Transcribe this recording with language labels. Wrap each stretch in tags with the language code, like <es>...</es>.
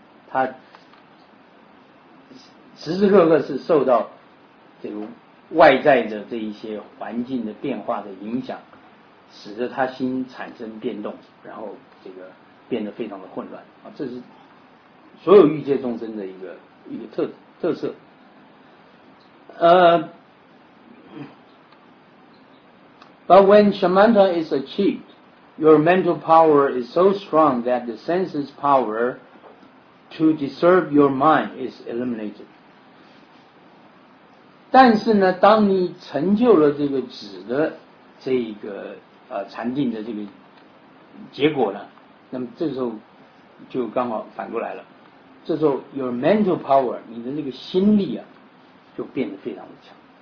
<zh>他时时刻刻是受到这个外在的这一些环境的变化的影响，使得他心产生变动，然后这个变得非常的混乱啊。这是所有欲界众生的一个特色。</zh> <en>But when shamatha is achieved, your mental power is so strong that the senses' power to disturb your mind is eliminated.</en> <zh>但是呢，当你成就了这个止的这一个禅定的这个结果呢，那么这时候就刚好反过来了。这时候</zh> <en>your mental power,</en> <zh>你的这个心力啊，就变得非常的强。</zh>